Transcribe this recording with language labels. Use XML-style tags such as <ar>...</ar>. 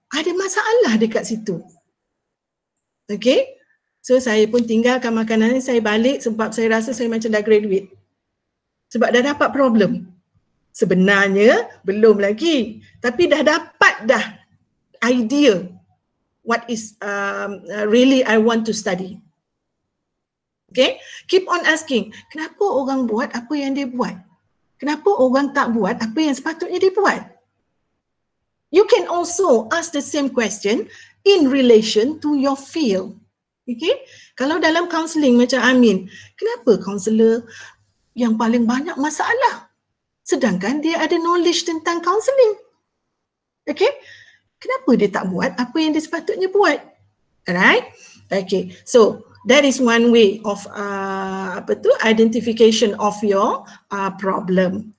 <ms>Ada masalah dekat situ. Okay, so saya pun tinggalkan makanan ni, saya balik sebab saya rasa saya macam dah graduate. Sebab dah dapat problem. Sebenarnya belum lagi, tapi dah dapat dah idea</ms> <en>what is really I want to study.</en> <ms>Okay,</ms> <en>keep on asking,</en> <ms>kenapa orang buat apa yang dia buat? Kenapa orang tak buat apa yang sepatutnya dia buat?</ms> <en>You can also ask the same question in relation to your field.</en> <ms>Okay, kalau dalam counselling macam Amin, kenapa counsellor yang paling banyak masalah sedangkan dia ada knowledge tentang counselling? Okay, kenapa dia tak buat apa yang dia sepatutnya buat?</ms> <en>Alright, okay, so that is one way of identification of your problem.</en>